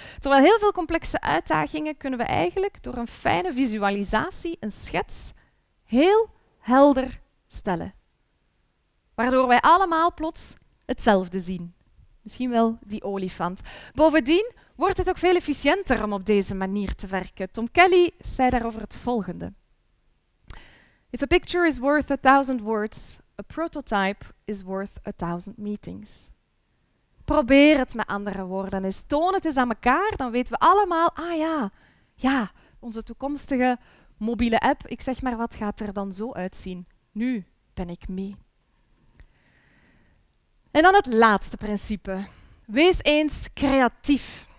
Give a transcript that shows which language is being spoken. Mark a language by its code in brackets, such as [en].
[nl] Terwijl heel veel complexe uitdagingen kunnen we eigenlijk door een fijne visualisatie, een schets, heel helder stellen. Waardoor wij allemaal plots hetzelfde zien. Misschien wel die olifant. Bovendien wordt het ook veel efficiënter om op deze manier te werken. Tom Kelly zei daarover het volgende. [en] If a picture is worth 1,000 words, a prototype is worth 1,000 meetings. [nl] Probeer het met andere woorden eens. Toon het eens aan elkaar, dan weten we allemaal, ah ja, ja, onze toekomstige mobiele app, ik zeg maar, wat gaat er dan zo uitzien? Nu ben ik mee. En dan het laatste principe. Wees eens creatief.